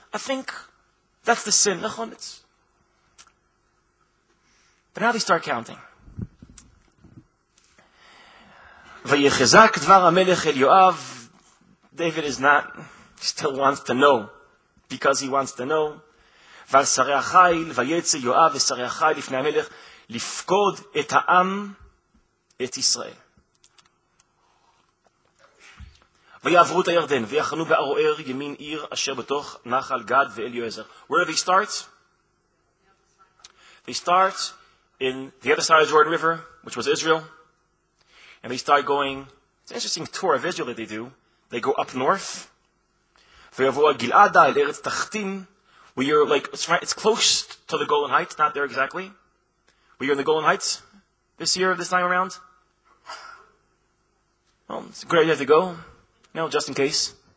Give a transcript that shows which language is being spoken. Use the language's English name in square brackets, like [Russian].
[English] I think that's the sin. But now they start counting. David is not, still wants to know, because he wants to know. [Hebrew] ושרי החיל, ויצא יואב ושרי החיל לפני המלך, לפקוד את העם, את ישראל. ויעברו את הירדן, ויחנו בארוער ימין עיר אשר בתוך נחל גד ואליעזר. [English] Where do they start? They start in the other side of Jordan River, which was Israel. And they start going, it's an interesting tour of Israel that they do. They go up north. [Hebrew] ויעברו הגלעדה אל ארץ תחתים. [English] We are like, it's close to the Golan Heights, not there exactly. We are in the Golan Heights this year, this time around. Well, it's a great idea to go. No, just in case.